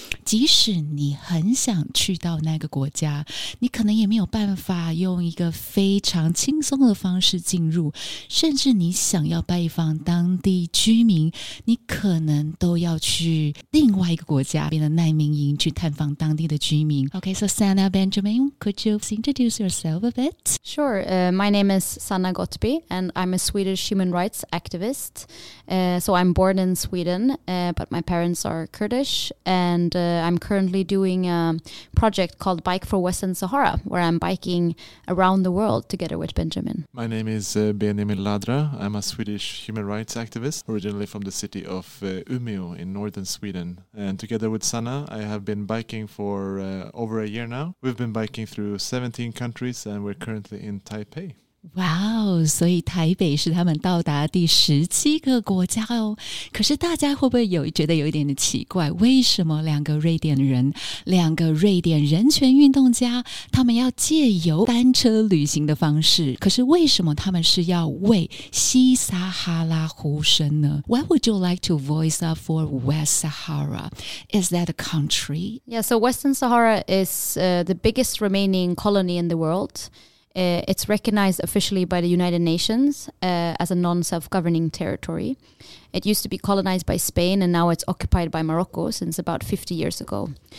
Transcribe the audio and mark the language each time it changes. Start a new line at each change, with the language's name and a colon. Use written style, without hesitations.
Chinese: 即使你很想去到那个国家，你可能也没有办法用一个非常轻松的方式进入，甚至你想要拜访当地居民，你可能都要去另外一个国家边的难民营去探访当地的居民。
English: Okay, so Sanna Benjamin, could you introduce yourself a bit? Sure, my name is Sanna Ghotbi and I'm a Swedish human rights activist. So I'm born in Sweden, but my parents are Kurdish and I'm currently doing a project called Bike for Western Sahara, where I'm biking around the world together with Benjamin. My name is Benjamin Ladraa. I'm a Swedish human rights activist, originally from the city of Umeå in northern Sweden, and together with Sanna I have been biking for over a year now. We've been biking through 17 countries and we're currently in Taipei.
Chinese: Wow, 所以台北是他们到达第17个国家哦。可是大家会不会有觉得有一点的奇怪，为什么两个瑞典人，两个瑞典人权运动家，他们要借由单车旅行的方式，可是为什么他们是要为西撒哈拉呼声呢？
English: Why would you like to voice up for West Sahara? Is that a country? Yeah, so Western Sahara is the biggest remaining colony in the world. It's recognized officially by the United Nations as a non-self-governing territory. It used to be colonized by Spain and now it's occupied by Morocco since about 50 years ago.